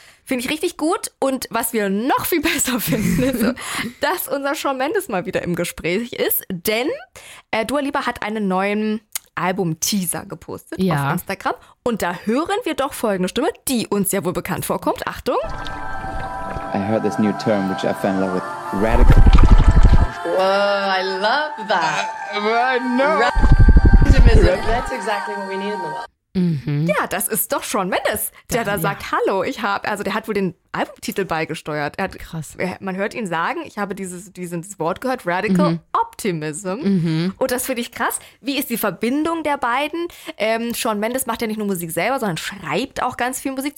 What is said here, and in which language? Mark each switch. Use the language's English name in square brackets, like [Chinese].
[German] Finde ich richtig gut und was wir noch viel besser finden, ist, dass unser Shawn Mendes mal wieder im Gespräch ist, denn Dua Lipa hat einen neuen Album-Teaser gepostet auf Instagram. Und da hören wir doch folgende Stimme, die uns ja wohl bekannt vorkommt. Achtung! [English] I heard this new term, which I fell in love with. Radical. Wow, I love that. I know. Radicalism. That's exactly what we need in the world. Mhm. [German] Ja, das ist doch Shawn Mendes, der da sagt, hallo, ich habe, also der hat wohl den Albumtitel beigesteuert. Er hat, krass. Man hört ihn sagen, ich habe dieses Wort gehört, Radical Optimism. Und das finde ich krass. Wie ist die Verbindung der beiden? Shawn Mendes macht ja nicht nur Musik selber, sondern schreibt auch ganz viel Musik.